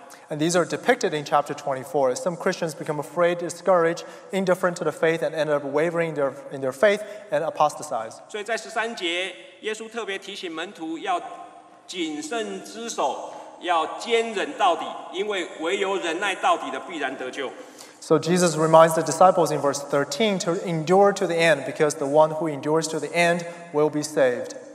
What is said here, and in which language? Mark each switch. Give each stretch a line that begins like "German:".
English: And these are depicted in chapter 24. Some Christians become afraid, discouraged, indifferent to the faith, and end up wavering in their faith and apostatize.
Chinese: 所以在13节，耶稣特别提醒门徒要谨慎之守，要坚忍到底，因为唯有忍耐到底的必然得救。
English: So Jesus reminds the disciples in verse 13 to endure to the end, because the one who endures to the end will be saved.